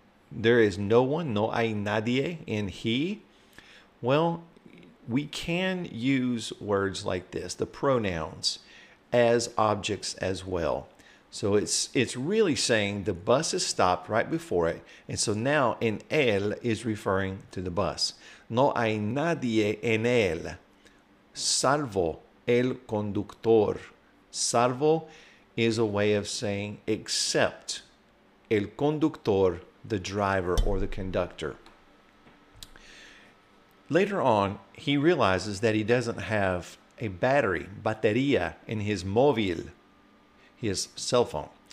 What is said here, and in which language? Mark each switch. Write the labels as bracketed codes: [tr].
[en] There is no one, [es] no hay nadie [en] in he. Well, we can use words like this, the pronouns, as objects as well. So it's really saying the bus is stopped right before it. And so now en él is referring to the bus. [es] No hay nadie en él, salvo el conductor. [en] Salvo is a way of saying except [es] el conductor, [en] the driver or the conductor. Later on, he realizes that he doesn't have a battery, batería, in his móvil, his cell phone.